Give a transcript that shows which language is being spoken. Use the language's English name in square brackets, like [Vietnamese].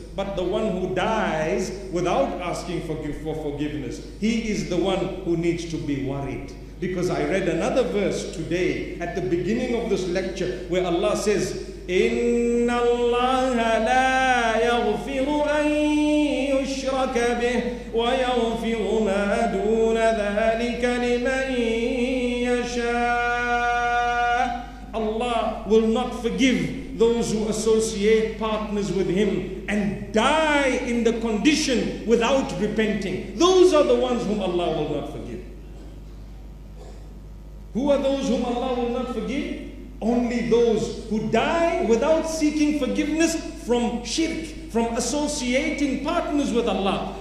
[English] But the one who dies without asking for forgiveness, he is the one who needs to be worried. Because I read another verse today at the beginning of this lecture where Allah says, [Arabic] إِنَّ اللَّهَ لَا يَغْفِرُ أَن يُشْرَكَ أشرك به ويغفر ما دون ذلك لمن يشاء. [English] Allah will not forgive those who associate partners with him and die in the condition without repenting. Those are the ones whom Allah will not forgive. Who are those whom Allah will not forgive? Only those who die without seeking forgiveness from shirk, from associating partners with Allah.